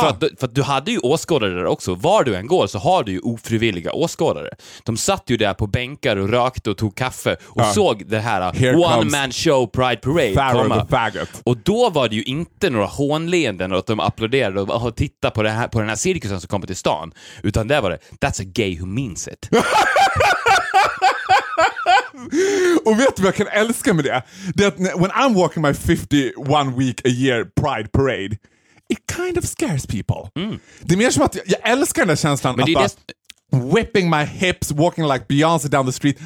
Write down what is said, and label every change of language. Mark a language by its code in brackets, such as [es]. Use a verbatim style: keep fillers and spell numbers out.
[sv] För, att, för att du hade ju åskådare där också. Var du än går så har du ju ofrivilliga åskådare. De satt ju där på bänkar och rökte och tog kaffe och ja. såg det här [en] one-man-show Pride Parade. [sv] Och då var det ju inte några hånleenden och att de applåderade och, och titta på, det här, på den här cirkusen som kommer till stan. Utan där var det, [en] that's a gay who means it. [sv] Och vet du vad jag kan älska med det? Det är att [en] when I'm walking my fifty-one week a year Pride Parade, it kind of scares people. Mm. [sv] Det är mer som att jag, jag älskar den där känslan att bara, [en] whipping my hips, walking like Beyoncé down the street.